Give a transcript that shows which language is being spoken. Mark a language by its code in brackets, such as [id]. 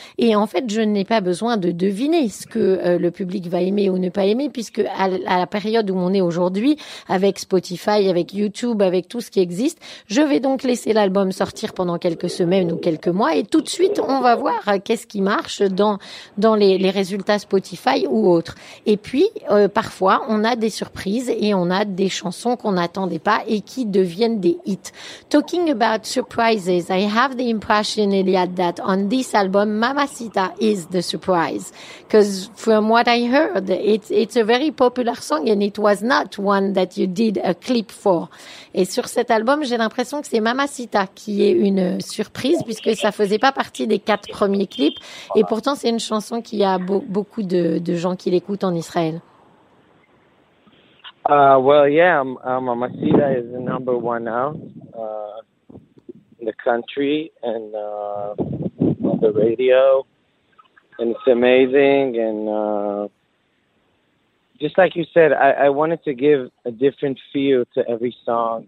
[fr] Et en fait, je n'ai pas besoin de deviner ce que le public va aimer ou ne pas aimer, puisque à la période où on est aujourd'hui, avec Spotify, avec YouTube, avec tout ce qui existe, je vais donc laisser l'album sortir pendant quelques semaines ou quelques mois. Et tout de suite, on va voir qu'est-ce qui marche dans les résultats Spotify ou autres. Et puis, parfois, on a des surprises et on a des chansons qu'on n'attendait pas et qui deviennent des hits. [en] Talking about surprises, I have the impression, Eliad, that on this album, Mamacita is the surprise. Because from what I heard, it's a very popular song and it was not one that you did a clip for. [fr] Et sur cet album, j'ai l'impression que c'est Mamacita qui est une surprise, puisque ça faisait pas partie des 4 premiers clips. Et pourtant, c'est une chanson qui a beaucoup de gens qui l'écoutent en Israël. [en] Well, yeah, Mamacita is the number one now in the country and on the radio, and it's amazing. And just like you said, I wanted to give a different feel to every song.